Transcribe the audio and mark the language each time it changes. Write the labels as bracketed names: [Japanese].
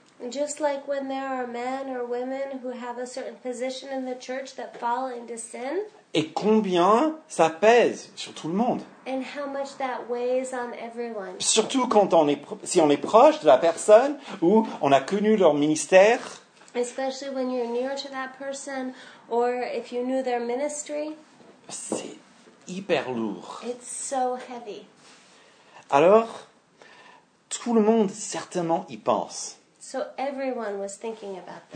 [English] Just like when there are men or women who have a certain position in the church that fall into sin. [French] Et combien ça pèse sur tout le monde. [English] And how much that weighs on everyone. [French] Surtout quand on est si on est proche de la personne ou on a connu leur ministère. [English] Especially when you're near to that person or if you knew their ministry. [French] C'est hyper lourd. [English] It's so heavy. [French] Alors, tout le monde certainement y pense. [English] So everyone was thinking about this.